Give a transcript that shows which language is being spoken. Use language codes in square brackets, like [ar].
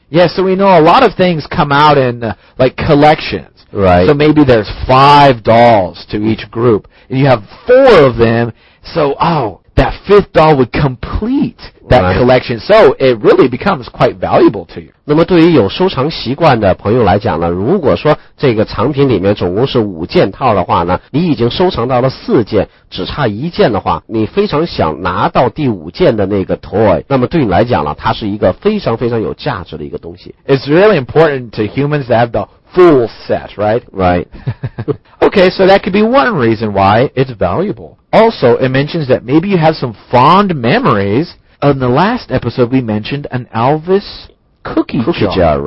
[en] Yeah, so we know a lot of things come out in like collections. Right. So maybe there's 5 dolls to each group, and you have 4 of them, so, oh, that 5th doll would complete that right. collection, so it really becomes quite valuable to you. [zh] 那么对于有收藏习惯的朋友来讲呢，如果说这个藏品里面总共是5件套的话呢，你已经收藏到了4件，只差1件的话，你非常想拿到第5件的那个 toy, 那么对你来讲呢，它是一个非常非常有价值的一个东西。 [en] It's really important to humans to have the full set, right? Right. Okay, so that could be one reason why it's valuable. Also, it mentions that maybe you have some fond memories. In the last episode, we mentioned an Elvis cookie jar,